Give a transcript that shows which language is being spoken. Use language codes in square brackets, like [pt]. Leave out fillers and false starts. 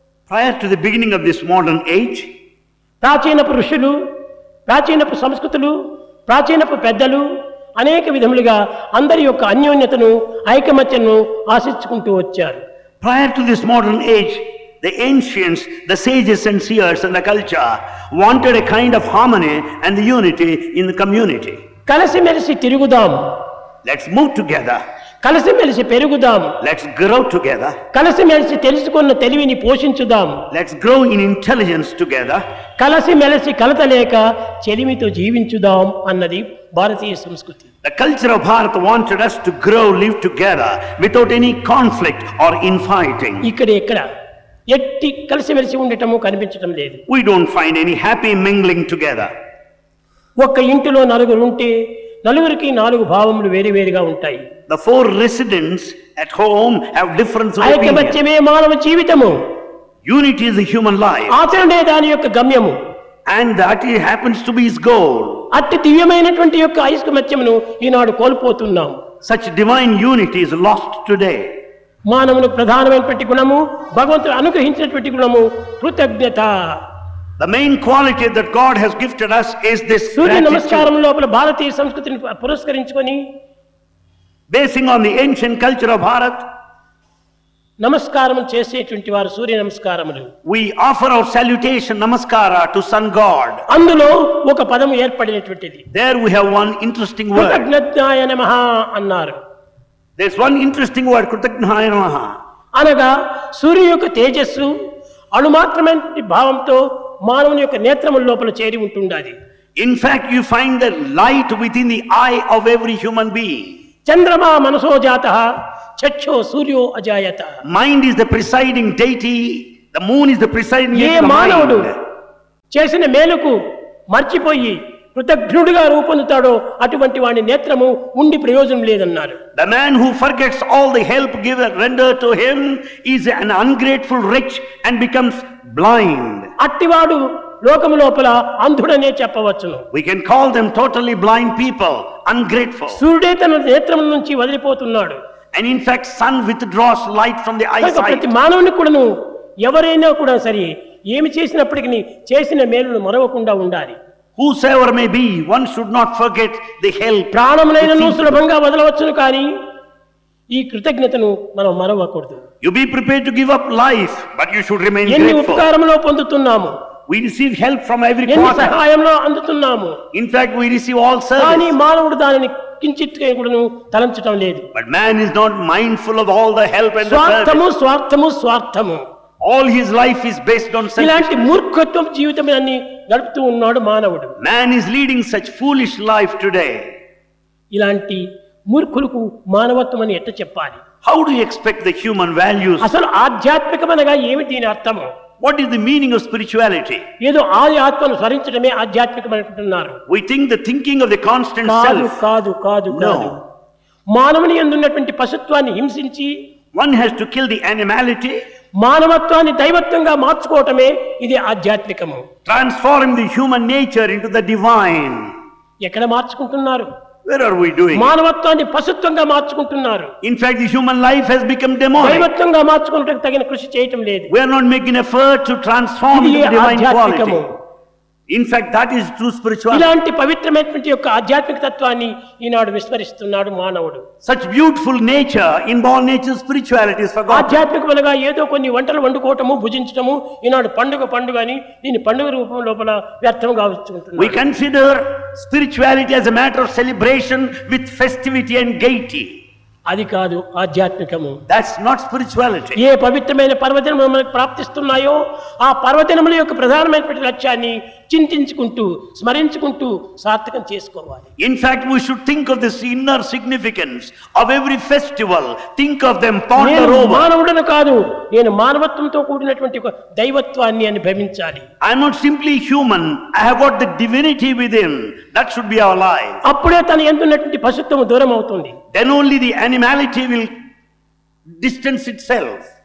[en] prior to the beginning of this modern age [te] ప్రాచీనపు ఋషులు ప్రాచీనపు సంస్కృతులు ప్రాచీనపు పెద్దలు అనేక విధములుగా అందరి యొక్క అన్యోన్యతను ఐకమత్యను ఆశించుకుంటూ వచ్చారు. [en] Prior to this modern age, the ancients, the sages and seers and the culture wanted a kind of harmony and the unity in the community. [te] కలసిమెలిసి తిరుగుదాం. [en] Let's move together. [te] కలసిమెలిసి పెరుగుదాం. [en] Let's grow together. [te] కలసిమెలిసి తెలుసుకున్న తెలివిని పోషించుదాం. [en] Let's grow in intelligence together. [te] కలసిమెలిసి కలతలేక చెలిమితో జీవించుదాం అన్నది భారతీయ సంస్కృతి. [en] The culture of Bharat wanted us to grow, live together without any conflict or infighting. [te] ఇక్కడ ఎక్కడ ఎట్టి కలిసిమెలిసి ఉండటము కనిపించడం లేదు. [en] We don't find any happy mingling together. [te] ఒక ఇంటిలో నలుగురు ఉంటే నలుగురికి నాలుగు భావములు వేరువేరుగా ఉంటాయి. [en] The four residents at home have different opinions. [te] ఐకమత్యమే మానవ జీవితము. [en] Unity is a human life. [te] ఆచరణే దాని యొక్క గమ్యము. [en] And that it happens to be his goal. [te] అట్టి దివ్యమైనటువంటి యొక్క ఐకమత్యమును ఈనాడు కోల్పోతున్నాం. [en] Such divine unity is lost today. [te] మానవునికి ప్రధానమైనటువంటి గుణము, భగవంతుడు అనుగ్రహించినటువంటి గుణము కృతజ్ఞత. [en] The main quality that God has gifted us is this gratitude. [te] సూర్య నమస్కారం లోపల భారతీయ సంస్కృతిని పురస్కరించుకొని, [en] basing on the ancient culture of Bharat, [te] నమస్కారం చేసేటువంటి వారు సూర్య నమస్కారములు. [en] We offer our salutation namaskara to sun god. [te] అందులో ఒక పదం ఏర్పడినటువంటిది. [en] There we have one interesting word. [te] కృతజ్ఞతాయ నమః అన్నారు. [en] There's one interesting word, [sa] కృతజ్ఞాయ నమః. [te] అనగా సూర్యుని యొక్క తేజస్సు అణుమాత్రమైన భావంతో మానవుని యొక్క నేత్రముల లోపల చేరి ఉంటుండాలి. [en] In fact, you find the light within the eye of every human being. [sa] చంద్రమా మనసో జాతః చక్షో సూర్యో అజాయత. [en] Mind is the presiding deity, the moon is the presiding deity. [te] ఏ మానవుడు చేసిన మేలుకు మర్చిపోయి కృతజ్ఞుడిగా రూపొందుతాడో అటువంటి వాడి నేత్రము ఉండి ప్రయోజనం లేదన్నారు. [en] The man who forgets all the help given rendered to him is an ungrateful wretch and becomes blind. [te] అట్టివాడు లోకము లోపల అంధుడనే చెప్పవచ్చును. [en] We can call them totally blind people, ungrateful. [te] సూర్యుడే తన నేత్రం నుంచి వదిలిపోతున్నాడు. [en] And in fact, sun withdraws light from the eyesight. [te] ప్రతి మానవుని కూడాను ఎవరైనా కూడా సరే ఏమి చేసినప్పటికీ చేసిన మేలును మరవకుండా ఉండాలి. [en] Whosoever may be, one should not forget the help. [te] ప్రాణములైన సులభంగా వదలవచ్చును, కానీ ఈ కృతజ్ఞతను మనం మరవకూడదు. [en] You be prepared to give up life, but you should remain grateful. [te] ఎన్ని ఉపకారములో పొందుతున్నాము. [en] We receive help from every quarter. [te] ఎన్ని సహాయములో అందుతున్నాము. [en] In fact, we receive all service. [te] కానీ మానవుడు దానిని కించిత్ కూడాను తలంచటం లేదు. [en] But man is not mindful of all the help and the service. [te] స్వార్థము స్వార్థము స్వార్థము. [en] All his life is based on self. [te] ఇలాంటి మూర్ఖత్వం జీవితమని నడుపుతూ ఉన్నాడు మానవుడు. [en] Man is leading such foolish life today. [te] ఇలాంటి మూర్ఖులకు మానవత్వం అని ఎట్లా చెప్పాలి? [en] How do you expect the human values? [te] అసలు ఆధ్యాత్మికమనగా ఏమిటి అని అర్థం? [en] What is the meaning of spirituality? [te] ఏదో ఆత్మను స్మరించడమే ఆధ్యాత్మికం అనుకుంటున్నారు. [en] We think the thinking of the constant self. [te] కాదు కాదు కాదు. [en] No. [te] మానవుని యందు ఉన్నటువంటి పశుత్వాన్ని హింసించి, [en] one has to kill the animality. [te] మానవత్వాన్ని దైవత్వంగా మార్చుకోవటమే ఇది ఆధ్యాత్మికము. [en] Transform the human nature into the divine. [te] ఎక్కడ మార్చుకుంటున్నారు? [en] Where are we doing? [te] మానవత్వాన్ని పశుత్వంగా మార్చుకుంటున్నారు. [en] In fact, the human life has become demonic. [te] దైవత్వంగా మార్చుకోవడానికి తగిన కృషి చేయటం లేదు. [en] We are not making effort to transform the divine quality. In fact, that is true spirituality. [te] ఇలాంటి పవిత్రమైనటువంటి యొక్క ఆధ్యాత్మిక తత్వాన్ని ఈనాడు విస్మరిస్తున్నాడు మానవుడు. [en] Such beautiful nature, inborn nature, spirituality is forgotten. [te] ఆధ్యాత్మికమనగా ఏదో కొన్ని వంటలు వండుకోవటము, భుజించటము ఈనాడు పండుగ పండుగ అని దీని పండుగ రూపం లోపల వ్యర్థంగా ఉంచుకుంటున్నాడు. [en] We consider spirituality as a matter of celebration with festivity and gaiety. [te] అది కాదు ఆధ్యాత్మికము. [en] That's not spirituality. [te] ఏ పవిత్రమైన పర్వదినములు మనకు ప్రాప్తిస్తున్నాయో ఆ పర్వదినముల యొక్క ప్రధానమైనటువంటి లక్ష్యాన్ని చింతించుకుంటూ స్మరించుకుంటూ సార్థకం చేసుకోవాలి. [en] In fact, we should think of this inner significance of every festival. Think of them, ponder over. [te] మానవుడను కాదు, నేను మానవత్వంతో కూడినటువంటి ఒక దైవత్వాన్ని అని భావించాలి. [en] I am not simply human. I have got the divinity within. That should be our life. [te] అప్పుడే తన యందున్నటువంటి పశుత్వము దూరం అవుతుంది. [en] Then only the animality will distance itself.